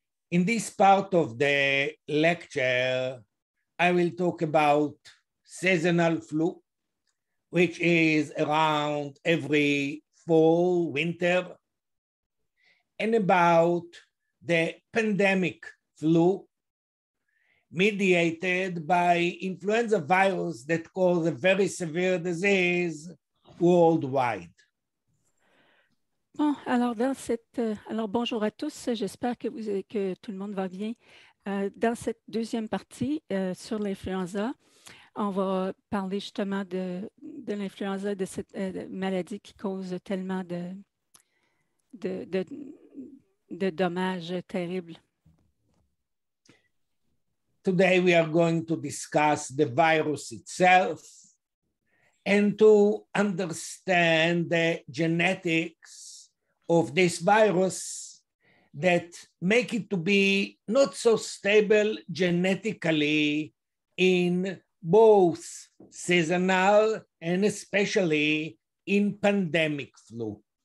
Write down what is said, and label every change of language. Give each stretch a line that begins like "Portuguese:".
English: In this part of the lecture, I will talk about seasonal flu, which is around every fall, winter, and about the pandemic flu mediated by influenza virus that causes a very severe disease worldwide.
French: Bon, alors dans cette, alors bonjour à tous, j'espère que vous, que tout le monde va bien. Dans cette deuxième partie sur l'influenza, on va parler justement de l'influenza, de cette maladie qui cause tellement de dommages terribles.
English: Today we are going to discuss the virus itself and to understand the genetics of this virus that make it to be not so stable genetically in both seasonal and especially in pandemic flu.